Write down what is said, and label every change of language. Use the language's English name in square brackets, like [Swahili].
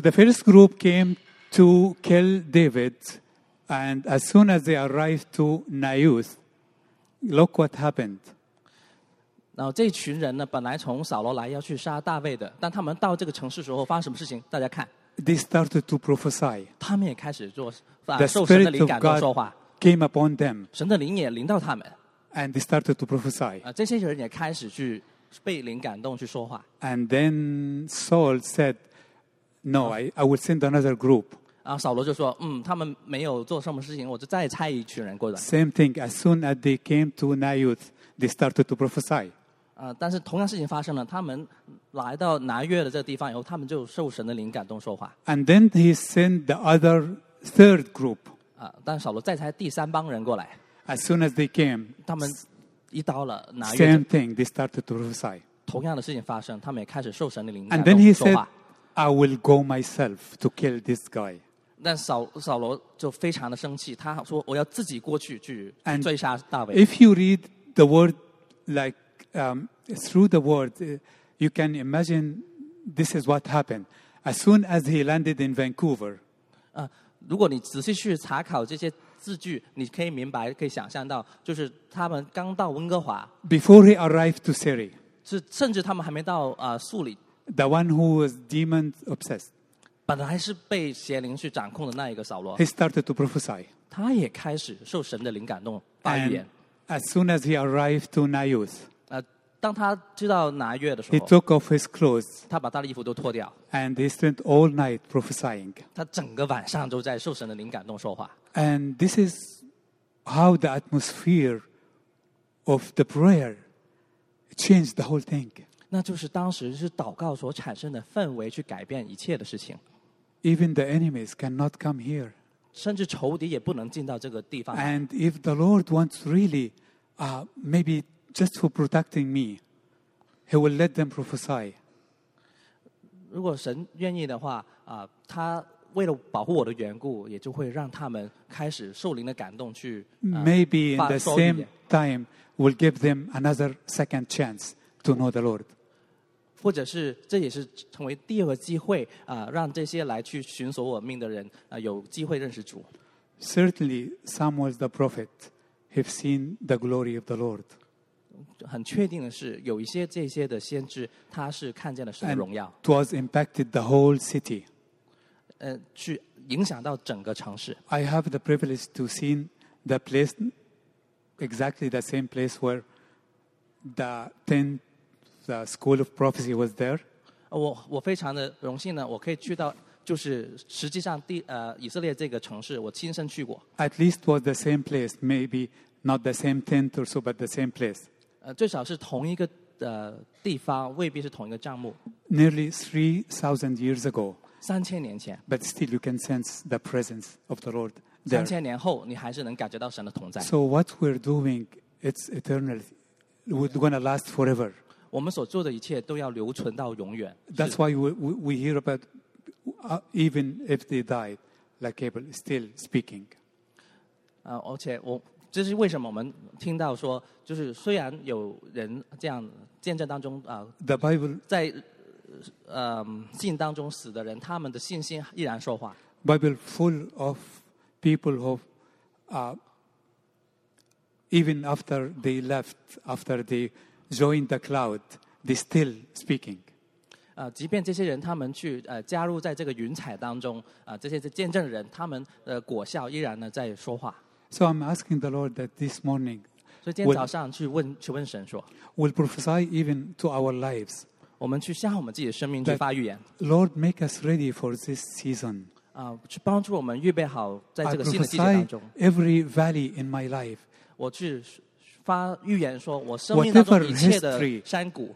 [English] the first group came to kill David, and as soon as they arrived to Naiut, look what happened. [Chinese] 然后这群人呢，本来从扫罗来要去杀大卫的，但他们到这个城市时候发生什么事情？大家看。They [English] started to prophesy. [Chinese] 他们也开始做， [English] The Spirit of God came upon them. [Chinese] 神的灵也临到他们。 [English] And they started to prophesy. [Chinese] 这些人也开始去被灵感动去说话。 [English] And then Saul said, "No, I will send another group." [Chinese] 然后扫罗就说，他们没有做什么事情，我就再差一群人过来。 [English] Same thing. As soon as they came to Naioth, they started to prophesy. [Chinese] 但是同样事情发生了，他们来到拿约的这个地方以后，他们就受神的灵感动说话。 [English] And then he sent the other third group. [Chinese] 但扫罗再差第三帮人过来。 [English] As soon as they came, [Chinese] 他们一到了拿约。 [English] Same thing. They started to prophesy. [Chinese] 同样的事情发生，他们也开始受神的灵感动说话。 [English] And then he said,I will go myself to kill this guy. [Chinese] 但扫罗就非常的生气，他说我要自己过去去追杀大卫。 [English] If you read the word like through the word, you can imagine this is what happened. As soon as he landed in Vancouver, [Chinese] 如果你仔细去查考这些字句，你可以明白，可以想象到，就是他们刚到温哥华。 [English] Before he arrived to Surrey, [Chinese] 是甚至他们还没到素里。 [English] The one who was demon obsessed. [Chinese] 本来是被邪灵去掌控的那一个扫罗。 [English] He started to prophesy. [Chinese] 他也开始受神的灵感动发言。 [English] As soon as he arrived to Naioth, [Chinese] 当他知道拿约的时候， [English] he took off his clothes. [Chinese] 他把他的衣服都脱掉。 [English] And he spent all night prophesying. [Chinese] 他整个晚上都在受神的灵感动说话。 [English] And this is how the atmosphere of the prayer changed the whole thing. [Chinese] 那就是当时是祷告所产生的氛围去改变一切的事情。 [English] Even the enemies cannot come here. [Chinese] 甚至仇敌也不能进到这个地方。 [English] And if the Lord wants really, maybe just for protecting me, He will let them prophesy. [Chinese] 如果神愿意的话，他为了保护我的缘故，也就会让他们开始受灵的感动去。 [English] Maybe in the same time, will give them another second chance. To know the Lord. [Chinese] 或者是这也是成为第二个机会，让这些来去寻索我命的人，有机会认识主。 [English] Certainly, Samuel the prophet have seen the glory of the Lord. [Chinese] 很确定的是，有一些这些的先知，他是看见了神的荣耀。 [English] And it was impacted the whole city. [Chinese] 去影响到整个城市。 [English] I have the privilege to see the place, exactly the same place where. The tenth school of prophecy was there. [Chinese] 我非常的荣幸呢，我可以去到，就是实际上以色列这个城市，我亲身去过。 [English] At least was the same place, maybe not the same tent or so, but the same place. [Chinese] 最少是同一个地方，未必是同一个帐幕。 [English] Nearly 3,000 years ago. [Chinese] 三千年前。 [English] But still, you can sense the presence of the Lord there. [Chinese] 三千年后，你还是能感觉到神的同在。 [English] So what we're doing, it's eternal. We're going to last forever. [Chinese] 我们所做的一切都要留存到永远。 [English] That's why we hear about even if they died, like Abel, still speaking. [Chinese] 而且这是为什么我们听到说，就是虽然有人这样见证当中 [English] The Bible [Chinese] 在信当中死的人，他们的信心依然说话。 [English] Bible full of people who Even after they left, after they joined the cloud, they still speaking. [Chinese] 即便这些人他们去加入在这个云彩当中，这些见证人他们的果效依然呢在说话。 [English] So I'm asking the Lord that this morning, [Chinese] 所以今天早上去问神说 [English] ，Will prophesy even to our lives. [Chinese] 我们去向我们自己的生命去发预言。 [English] Lord, make us ready for this season. [Chinese] 去帮助我们预备好在这个新的季节当中。 [English] I prophesy every valley in my life. [Chinese] 我去发预言说，我生命当中一切的山谷